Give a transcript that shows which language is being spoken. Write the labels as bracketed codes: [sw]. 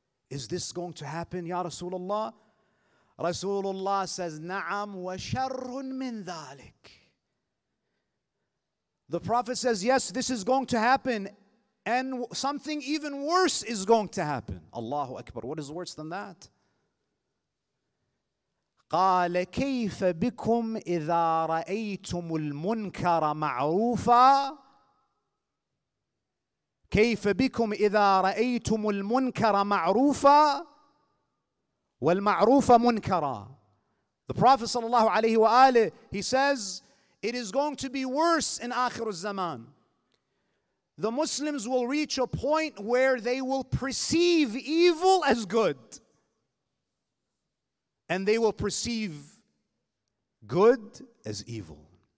[en] Is this going to happen, Ya Rasulullah? Rasulullah says, [ar] نَعَمْ وَشَرٌ مِّن ذَٰلِكَ. [en] The Prophet says, yes, this is going to happen, and something even worse is going to happen. Allahu Akbar, what is worse than that? [ar] قال كيف بكم إذا رأيتم المنكر معروفا كيف بكم إذا رأيتم المنكر معروفا والمعروف منكرا. [en] The Prophet sallallahu alayhi wa alayhi, he says, it is going to be worse in آخر الزمان. The Muslims will reach a point where they will perceive evil as good, and they will perceive good as evil.